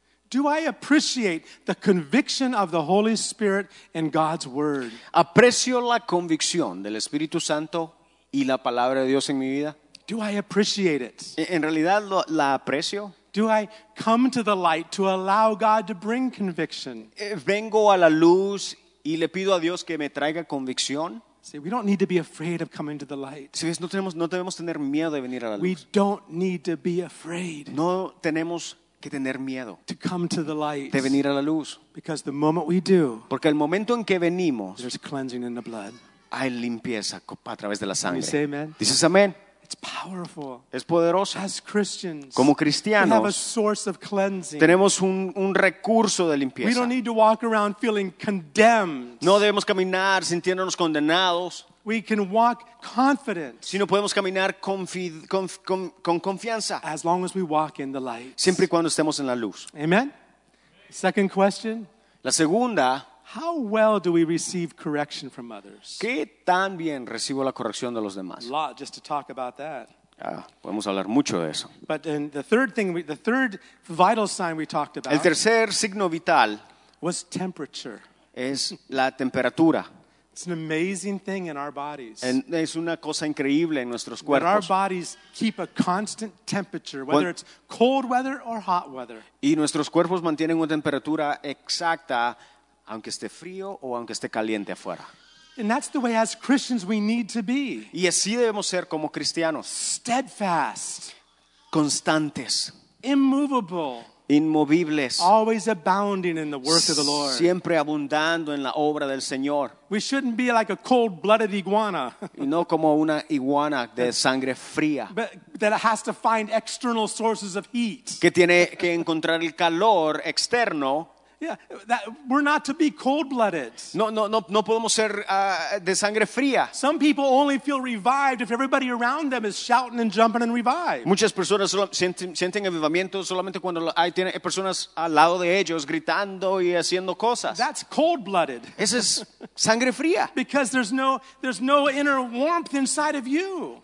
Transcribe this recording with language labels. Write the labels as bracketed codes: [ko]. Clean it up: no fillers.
[en] Do I appreciate the conviction of the Holy Spirit in God's Word? [es] ¿Aprecio la convicción del Espíritu Santo y la Palabra de Dios en mi vida? [en] Do I appreciate it? [es] ¿En realidad la aprecio? [en] Do I come to the light to allow God to bring conviction? [es] Vengo a la luz y le pido a Dios que me traiga convicción. [en] See, we don't need to be afraid of coming to the light. [es] No debemos tener miedo de venir a la luz. [en] We don't need to be afraid. [es] No tenemos que tener miedo. [en] To come to the light. [es] De venir a la luz. [en] Because the moment we do. [es] Porque el momento en que venimos. [en] There's cleansing in the blood. [es] Hay limpieza a través de la sangre. [en] You say amen. [es] Dices amén. [en] It's powerful. [es] Es poderoso. [en] As Christians, [es] como cristianos, [en] we have a source of cleansing. [es] Tenemos un recurso de limpieza. [en] We don't need to walk around feeling condemned. [es] No debemos caminar sintiéndonos condenados. [en] We can walk confident. [es] Sino podemos caminar con confianza. [en] As long as we walk in the light. [es] Siempre y cuando estemos en la luz. [en] Amen. Second question. [es] La segunda. [en] How well do we receive correction from others? [es] ¿Qué tan bien recibo la corrección de los demás? [en] A lot just to talk about that. [es] Ah, podemos hablar mucho de eso. [en] But then the third vital sign we talked about. [es] El tercer signo vital [en] was temperature. [es] Es la temperatura. [en] It's an amazing thing in our bodies. [es] Es una cosa increíble en nuestros cuerpos. [en] Our bodies keep a constant temperature, whether it's cold weather or hot weather. [es] Y nuestros cuerpos mantienen una temperatura exacta. Aunque esté frío o aunque esté caliente afuera. [en] And that's the way as Christians we need to be. [es] Y así debemos ser como cristianos. [en] Steadfast. [es] Constantes. [en] Immovable. [es] Inmovibles. [en] Always abounding in the work of the Lord. [es] Siempre abundando en la obra del Señor. [en] We shouldn't be like a cold-blooded iguana. [es] Y no como una iguana de sangre fría. [en] But that has to find external sources of heat. [es] Que tiene que encontrar el calor externo. [en] Yeah, that we're not to be cold-blooded. [es] No, podemos ser de sangre fría. [en] Some people only feel revived if everybody around them is shouting and jumping and revived. [es] Muchas personas sienten avivamiento solamente cuando hay personas al lado de ellos gritando y haciendo cosas. [en] That's cold-blooded. [es] Esa es sangre fría. [en] Because there's no inner warmth inside of you.